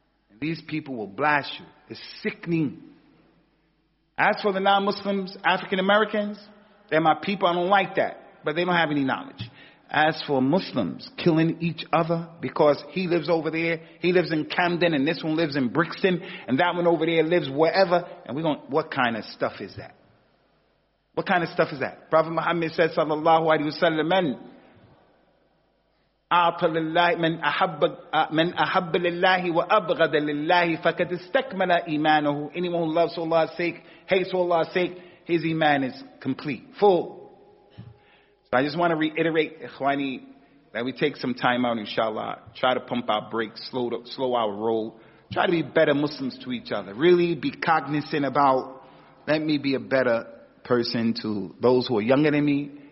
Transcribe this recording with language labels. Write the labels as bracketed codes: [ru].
[en] And these people will blast you. It's sickening. As for the non-Muslims, African-Americans, they're my people. I don't like that. But they don't have any knowledge. As for Muslims killing each other because he lives over there, he lives in Camden, and this one lives in Brixton, and that one over there lives wherever, and we're going, what kind of stuff is that? What kind of stuff is that? Prophet Muhammad said, sallallahu alayhi wa sallam, [ar] أعطى لله من أحب لله وأبغض لله فقد استكمل إيمانه. [en] Anyone who loves for Allah's sake, hates for Allah's sake, his iman is complete, full. So I just want to reiterate, ikhwani, that we take some time out, inshallah, try to pump our brakes, slow our roll, try to be better Muslims to each other, really be cognizant about, let me be a better person to those who are younger than me,